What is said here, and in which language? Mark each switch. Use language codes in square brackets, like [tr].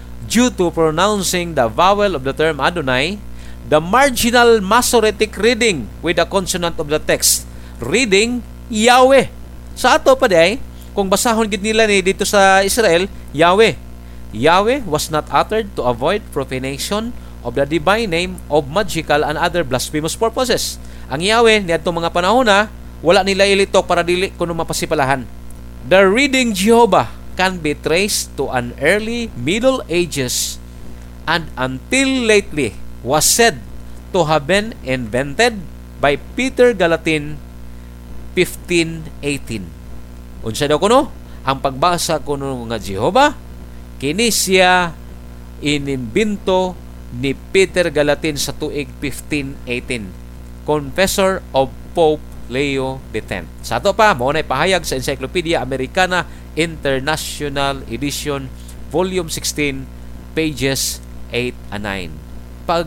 [en] Due to pronouncing the vowel of the term Adonai, the marginal Masoretic reading with the consonant of the text, reading Yahweh. [ceb] Sa ato pa day, kung basahon gid nila ni dito sa Israel, Yahweh. [en] Yahweh was not uttered to avoid profanation of the divine name of magical and other blasphemous purposes. [ceb] Ang Yahweh, ni atong mga panahona, wala nila ilito para dili kuno mapasipalahan. [en] The reading Jehovah can be traced to an early Middle Ages and until lately was said to have been invented by Peter Galatin 1518. [ceb] Unsa daw kuno? Ang pagbasa kuno nga Jehovah, kini siya inimbento ni Peter Galatin sa tuig 1518. [en] Confessor of Pope Leo X. [ceb] Sa ato pa, muna ipahayag sa [en] Encyclopedia Americana International Edition, Volume 16, pages 8 and 9.